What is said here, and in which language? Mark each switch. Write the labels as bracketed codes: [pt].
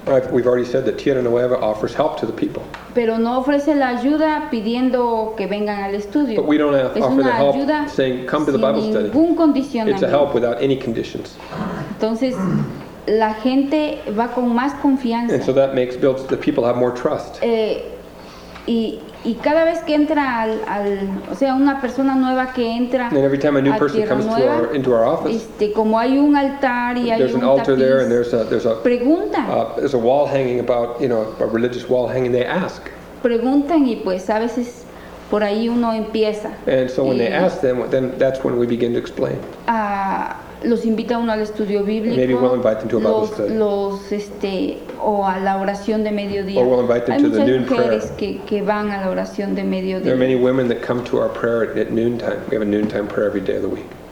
[en] We've already said that Tierra Nueva offers help to the people. [es] Pero no ofrece la ayuda pidiendo que vengan al estudio. [en] But we don't offer the help saying, come to the Bible study. [es] Sin ningún condicionamiento. [en] It's a help without any conditions. [es] Entonces, la gente va con más confianza. [en] And so that makes builds the people have more trust. [es] Y cada vez que entra al o sea, una persona nueva que entra [en] a Tierra Nueva, and every time a new person comes into our office, [es] como hay un altar y hay un altar tapiz, [en] there and there's a [es] pregunta. [en] There's a wall hanging about, you know, a religious wall hanging, they ask. [es] Preguntan y pues a veces por ahí uno empieza. [en] And so when they ask them, then that's when we begin to explain. [es] Los invita uno al estudio bíblico. [en] Maybe we'll invite them to a Bible study. [es] Los o a la oración de mediodía. [en] Or we'll invite them to the noon prayer. [es] Hay muchas mujeres que van a la oración de mediodía. [en] There are many women that come to our prayer at noontime. We have a noontime prayer every day of the week.